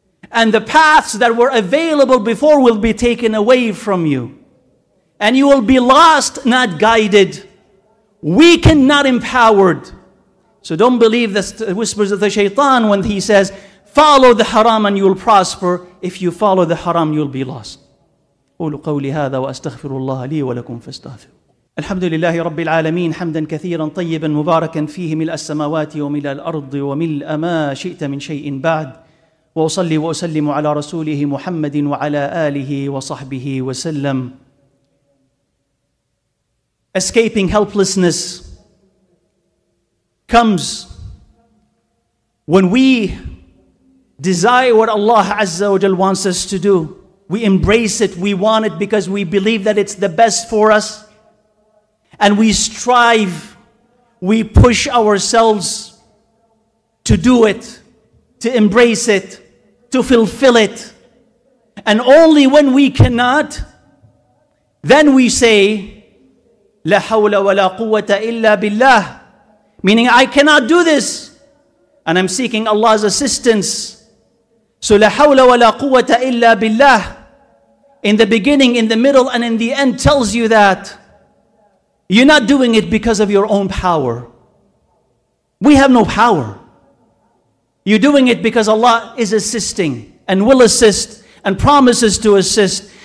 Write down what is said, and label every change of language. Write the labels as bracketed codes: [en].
[en] And the paths that were available before will be taken away from you. And you will be lost, not guided. Weakened, not empowered. So don't believe the whispers of the shaitan when he says, follow the haram and you will prosper. If you follow the haram, you will be lost. [ar] قولوا قولي هذا وأستغفر الله لي ولكم فاستغفروا. الحمد لله رب العالمين حمدا كثيرا طيبا مباركا فيه ملء السماوات وملء الأرض وملء ما شئت من شيء بعد. وأصلي وأسلم على رسوله محمد وعلى آله وصحبه وسلم. [en] Escaping helplessness comes when we desire what Allah Azza wa Jal wants us to do. We embrace it, we want it because we believe that it's the best for us. And we strive, we push ourselves to do it, to embrace it, to fulfill it. And only when we cannot, then we say, [ar] لا حول ولا قوة إلا بالله. [en] Meaning, I cannot do this. And I'm seeking Allah's assistance. So [ar] لا حول ولا قوة إلا بالله. [en] In the beginning, in the middle, and in the end tells you that you're not doing it because of your own power. We have no power. You're doing it because Allah is assisting and will assist and promises to assist.